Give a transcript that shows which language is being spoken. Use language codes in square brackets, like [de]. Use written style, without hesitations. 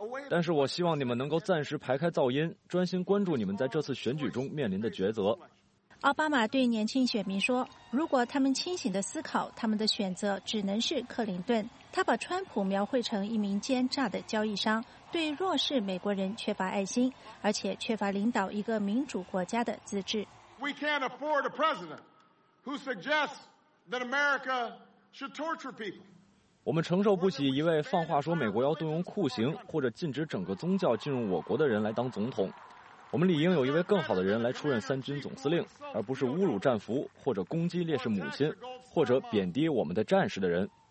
[zh] 但是我希望你们能够暂时排开噪音，专心关注你们在这次选举中面临的抉择。奥巴马对年轻选民说，如果他们清醒地思考，他们的选择只能是克林顿。他把川普描绘成一名奸诈的交易商，对弱势美国人缺乏爱心，而且缺乏领导一个民主国家的资质。 [en] We can't afford a president who suggests that America should torture people. [zh] 我们承受不起一位放话说美国要动用酷刑或者禁止整个宗教进入我国的人来当总统。我们理应有一位更好的人来出任三军总司令，而不是侮辱战俘或者攻击烈士母亲或者贬低我们的战士的人。